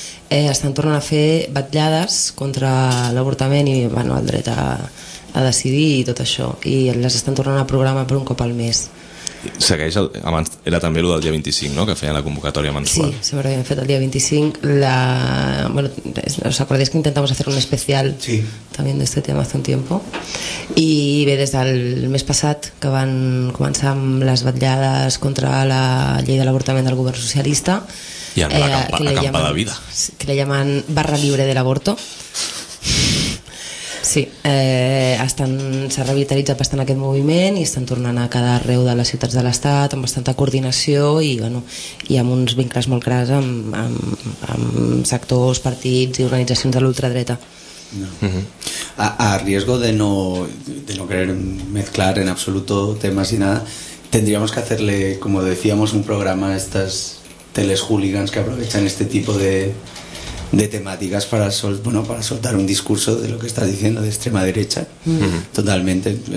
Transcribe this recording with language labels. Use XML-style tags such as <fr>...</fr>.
<ca>Estan tornant a fer batllades contra l'avortament i bueno, el dret a decidir i tot això, i les estan tornant a programar per un cop al mes. Segueix era també el del dia 25, no?, que feien la convocatòria mensual. Sí, sempre havíem fet el dia 25.</ca> <es>Bueno, ¿os acordáis que intentamos hacer un especial? Sí. También de este tema hace un tiempo.</es> <ca>I bé, des del mes passat, que van començar amb les batllades contra la llei de l'avortament del govern socialista, i anar a acampar la vida,</ca> <es>que la llaman barra libre de l'aborto.</es> <ca>Sí, s'ha revitalitzat bastant aquest moviment i estan tornant a quedar arreu de les ciutats de l'Estat amb bastanta coordinació i, bueno, i amb uns vincles molt clars amb sectors, partits i organitzacions de l'ultradreta. No.</ca> <es>A riesgo de no querer mezclar en absoluto temas y nada, tendríamos que hacerle, como decíamos, un programa a estas teles hooligans que aprovechan este tipo de temáticas para soltar un discurso de lo que estás diciendo, de extrema derecha. Totalmente.</es>